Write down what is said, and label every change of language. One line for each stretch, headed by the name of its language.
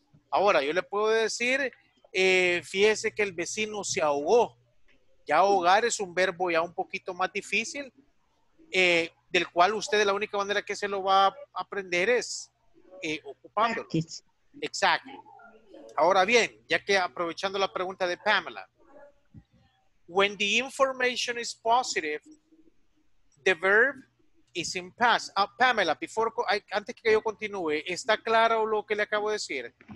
Spanish: Ahora, yo le puedo decir, fíjese que el vecino se ahogó. Ya ahogar es un verbo ya un poquito más difícil, del cual usted la única manera que se lo va a aprender es ocupándolo. Exacto. Ahora bien, ya que aprovechando la pregunta de Pamela.
English: When the information is positive, the verb is in past.
Spanish: Pamela, antes que yo continúe, ¿está claro lo que le acabo de decir?